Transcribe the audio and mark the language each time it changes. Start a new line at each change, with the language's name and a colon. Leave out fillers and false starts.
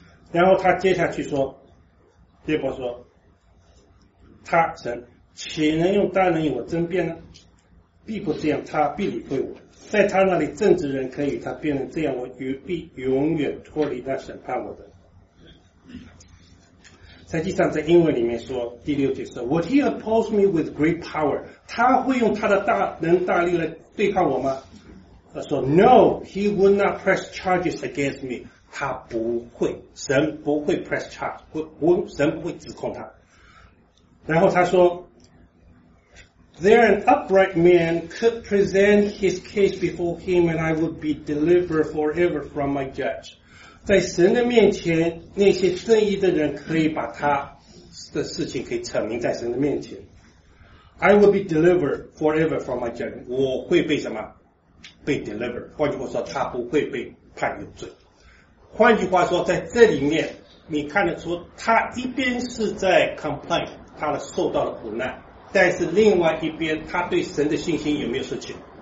Chinese: 然后他接下去说，约伯说，他神岂能用大能与我争辩呢？必不这样，他必理会我，在他那里正直人可以与他辩论，这样我必永远脱离那审判我的。实际上在英文里面说，第六节说
English: Would he oppose me with great power?
Chinese: 他会用他的大能大力来对抗我吗？他说
English: No, he would not press charges against me.
Chinese: 他不会，神不会 press charge， 神不会指控他。然后他说
English: There an upright man could present his case before him and I would be delivered forever from my judge.
Chinese: 在神的面前，那些正义的人可以把他的事情可以扯明在神的面前。
English: I would be delivered forever from my judge.
Chinese: 我会被什么？被 delivered。换句话说，他不会被判有罪。换句话说，在这里面，你看得出他一边是在 complain， 他的受到了苦难。但是另外一边，他对神的信心有没有失去？